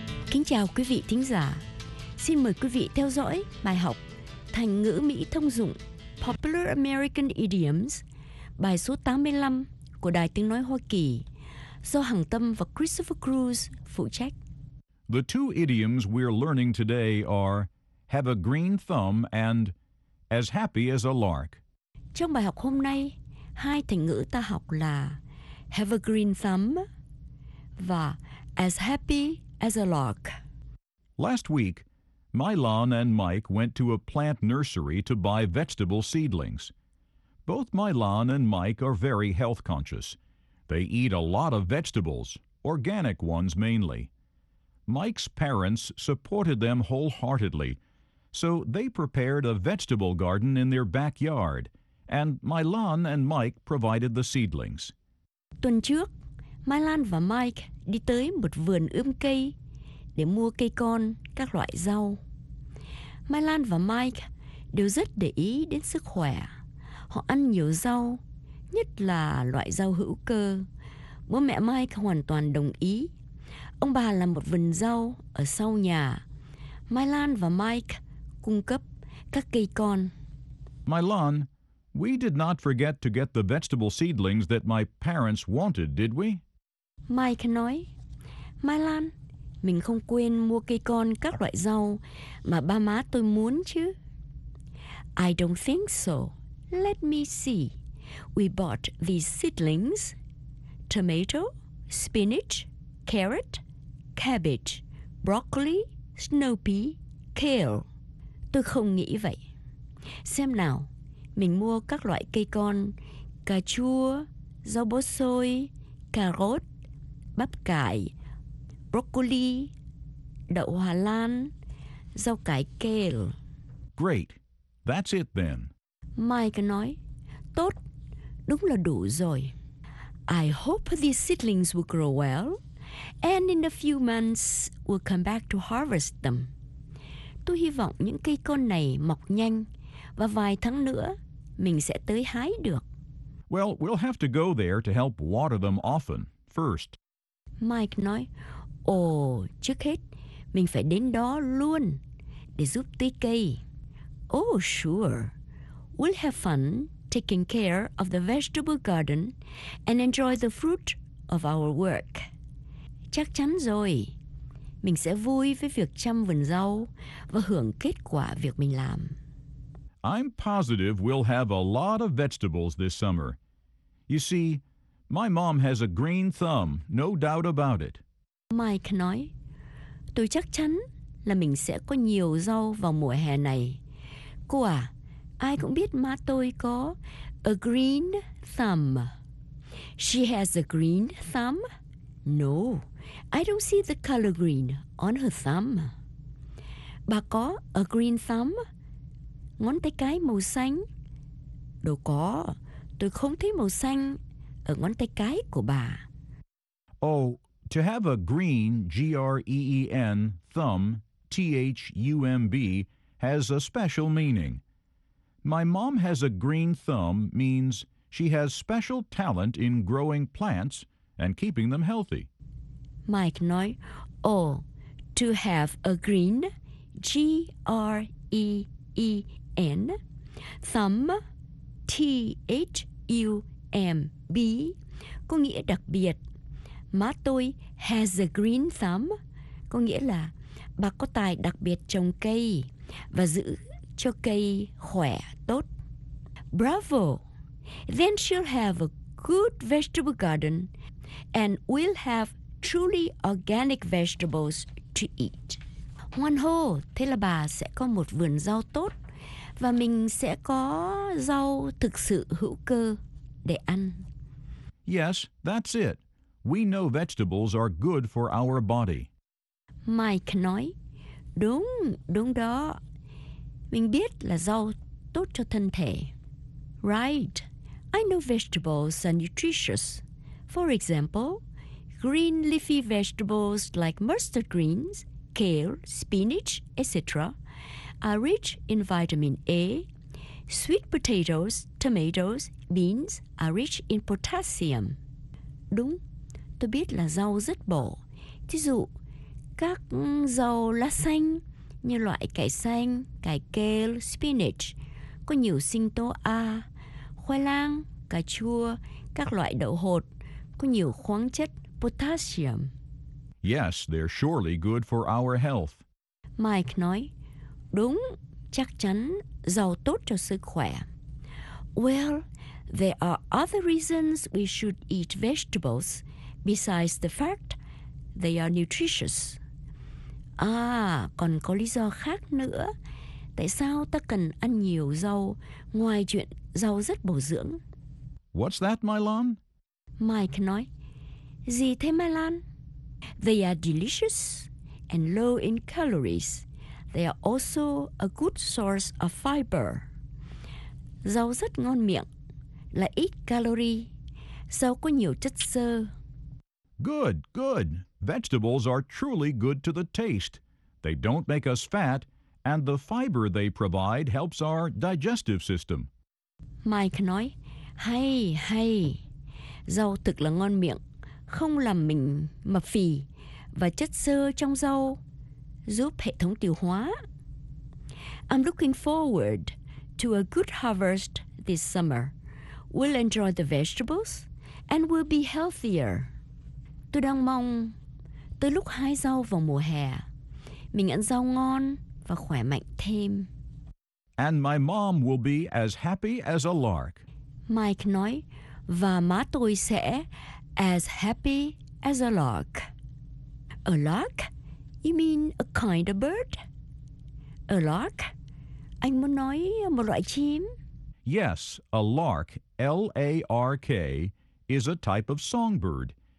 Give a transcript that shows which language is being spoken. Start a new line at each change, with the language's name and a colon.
Vietnamese: Kính chào quý vị thính giả. Xin mời quý vị theo dõi bài học thành ngữ Mỹ thông dụng
English: Popular American Idioms,
Vietnamese: bài số 85 của Đài Tiếng Nói Hoa Kỳ, do Hằng Tâm và Christopher Cruz phụ trách.
English: The two idioms we're learning today are have a green thumb and as happy as a lark.
Vietnamese: Trong bài học hôm nay, hai thành ngữ ta học là
English: have a green thumb
Vietnamese: và
English: as happy as a lark. Last week, Mylon and Mike went to a plant nursery to buy vegetable seedlings. Both Mylon and Mike are very health conscious. They eat a lot of vegetables, organic ones mainly. Mike's parents supported them wholeheartedly, so they prepared a vegetable garden in their backyard, and Mylon and Mike provided the seedlings.
Vietnamese: Tuần trước, Mylon và Mike đi tới một vườn ươm cây để mua cây con, các loại rau. Mylon và Mike đều rất để ý đến sức khỏe. Họ ăn nhiều rau, nhất là loại rau hữu cơ. Bố mẹ Mike hoàn toàn đồng ý. Ông bà làm một vườn rau ở sau nhà. Mylon và Mike cung cấp các cây con.
English: Mylon, we did not forget to get the vegetable seedlings that my parents wanted, did we?
Vietnamese: Mike nói, Mylon, mình không quên mua cây con các loại rau mà ba má tôi muốn chứ.
English: I don't think so. Let me see. We bought these seedlings, tomato, spinach, carrot, cabbage, broccoli, snow pea, kale.
Vietnamese: Tôi không nghĩ vậy. Xem nào, mình mua các loại cây con, cà chua, rau bó xôi, cà rốt, bắp cải, broccoli, đậu hòa lan, rau cải kale.
English: Great. That's it then.
Vietnamese: Mike nói, tốt, đúng là đủ rồi.
English: I hope these seedlings will grow well, and in a few months we'll come back to harvest them.
Vietnamese: Tôi hy vọng những cây con này mọc nhanh, và vài tháng nữa mình sẽ tới hái được.
English: Well, we'll have to go there to help water them often, first.
Vietnamese: Mike nói, ồ, trước hết, mình phải đến đó luôn, để giúp tưới cây.
English: Oh, sure. We'll have fun taking care of the vegetable garden and enjoy the fruit of our work.
Vietnamese: Chắc chắn rồi. Mình sẽ vui với việc chăm vườn rau và hưởng kết quả việc mình làm.
English: I'm positive we'll have a lot of vegetables this summer. You see, my mom has a green thumb, no doubt about it.
Vietnamese: Mike nói, tôi chắc chắn là mình sẽ có nhiều rau vào mùa hè này. Cô à, ai cũng biết má tôi có
English: a green thumb. She has a green thumb? No, I don't see the color green on her thumb.
Vietnamese: Bà có
English: a green thumb?
Vietnamese: Ngón tay cái màu xanh? Đâu có, tôi không thấy màu xanh ở ngón tay cái của bà.
English: Oh, to have a green, G-R-E-E-N, thumb, T-H-U-M-B, has a special meaning. My mom has a green thumb means she has special talent in growing plants and keeping them healthy.
Vietnamese: Mike nói,
English: oh, to have a green, G-R-E-E-N, thumb, T-H-U-M-B,
Vietnamese: có nghĩa đặc biệt. Má tôi
English: has a green thumb,
Vietnamese: có nghĩa là bà có tài đặc biệt trồng cây và giữ cho cây khỏe tốt.
English: Bravo! Then she'll have a good vegetable garden and we'll have truly organic vegetables to eat.
Vietnamese: Hoan hô! Thế là bà sẽ có một vườn rau tốt và mình sẽ có rau thực sự hữu cơ để ăn.
English: Yes, that's it. We know vegetables are good for our body.
Vietnamese: Mike nói, đúng, đúng đó. Mình biết là rau tốt cho thân thể.
English: Right. I know vegetables are nutritious. For example, green leafy vegetables like mustard greens, kale, spinach, etc. are rich in vitamin A. Sweet potatoes, tomatoes, beans are rich in potassium.
Vietnamese: Đúng. Tôi biết là rau rất bổ. Thí dụ, các rau lá xanh như loại cải xanh, cải kale, spinach, có nhiều sinh tố A, khoai lang, cà chua, các loại đậu hột, có nhiều khoáng chất potassium.
English: Yes, they're surely good for our health.
Vietnamese: Mike nói, đúng, chắc chắn, rau tốt cho sức khỏe.
English: Well, there are other reasons we should eat vegetables besides the fact they are nutritious.
Vietnamese: À, còn có lý do khác nữa. Tại sao ta cần ăn nhiều rau ngoài chuyện rau rất bổ dưỡng?
English: What's that, Mylon?
Vietnamese: Mike nói. Gì thế, Mylon?
English: They are delicious and low in calories. They are also a good source of fiber.
Vietnamese: Rau rất ngon miệng, là ít calorie. Rau có nhiều chất xơ.
English: Good, good. Vegetables are truly good to the taste. They don't make us fat, and the fiber they provide helps our digestive system.
Vietnamese: Mike nói, hay, hay. Rau thực là ngon miệng, không làm mình mập phì, và chất xơ trong rau giúp hệ thống tiêu hóa.
English: I'm looking forward to a good harvest this summer. We'll enjoy the vegetables, and we'll be healthier.
Vietnamese: Tôi đang mong tới lúc hái rau vào mùa hè, mình ăn rau ngon và khỏe mạnh thêm.
English: and my mom will be as happy as a lark.
Vietnamese: Mike nói, và má tôi sẽ
English: as happy as a lark. A lark? You mean a kind of bird? A lark?
Vietnamese: Anh muốn nói một loại chim?
English: Yes, a lark, L-A-R-K, is a type of songbird.